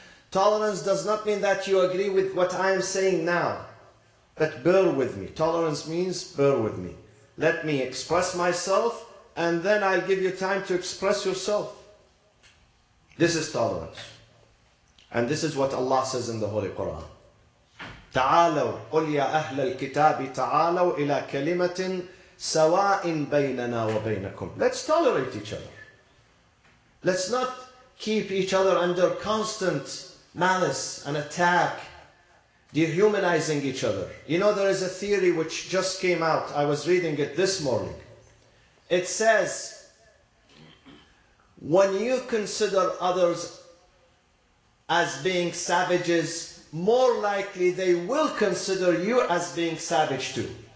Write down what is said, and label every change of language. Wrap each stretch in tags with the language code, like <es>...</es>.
<en>Tolerance does not mean that you agree with what I am saying now. But bear with me. Tolerance means bear with me. Let me express myself, and then I'll give you time to express yourself. This is tolerance. And this is what Allah says in the Holy Quran.</en> <ar>تعالوا قل يا أهل الكتاب تعالوا إلى كلمة سواء بيننا وبينكم.</ar> <en>Let's tolerate each other. Let's not keep each other under constant malice and attack, dehumanizing each other. You know, there is a theory which just came out. I was reading it this morning. It says, when you consider others as being savages, more likely they will consider you as being savage too.</en>